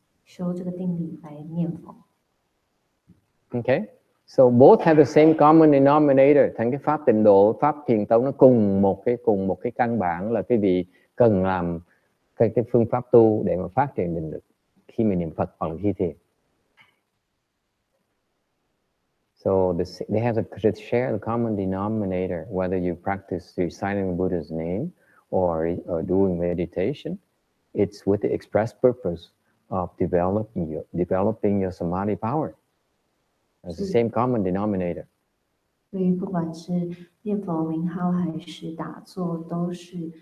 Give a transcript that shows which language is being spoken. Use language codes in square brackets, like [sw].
[en] Okay, so both have the same common denominator. [vi] Thành cái pháp tịnh độ, pháp thiền tông nó cùng một cái căn bản là cái gì cần làm cái phương pháp tu để mà phát triển định lực khi mình niệm Phật hoặc là khi thiền. [en] So they have to share the common denominator, whether you practice reciting Buddha's name or doing meditation, it's with the express purpose of developing your samadhi power. It's the same common denominator. [zh] 对于不管是念佛名号还是打坐，都是